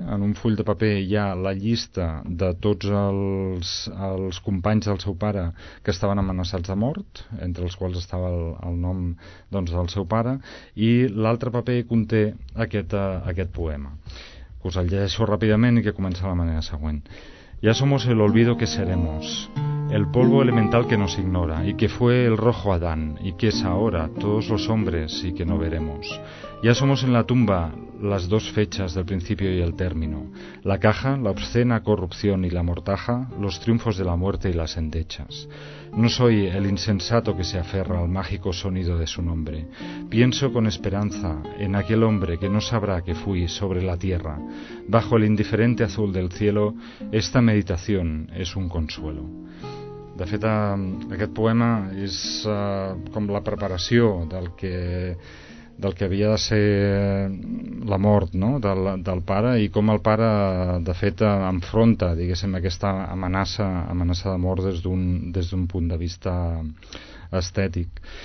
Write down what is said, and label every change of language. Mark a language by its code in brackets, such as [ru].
[ca] En un full de paper hi ha la llista de tots els companys del seu pare que estaven amenaçats de mort, entre els quals estava el nom doncs, del seu pare, i l'altre paper conté aquest poema, que us el llegeixo ràpidament i que comença de la manera següent. [es] Ya somos el olvido que seremos, el polvo elemental que nos ignora y que fue el rojo Adán y que es ahora todos los hombres y que no veremos. Ya somos en la tumba las dos fechas del principio y el término, la caja, la obscena corrupción y la mortaja, los triunfos de la muerte y las endechas. No soy el insensato que se aferra al mágico sonido de su nombre. Pienso con esperanza en aquel hombre que no sabrá que fui sobre la tierra. Bajo el indiferente azul del cielo, esta meditación es un consuelo. [ca] De fet, aquest poema és com la preparació del que havia de ser la mort, no?, del pare, i com el pare, de fet, enfronta, diguéssim, aquesta amenaça de mort des d'un punt de vista estètic.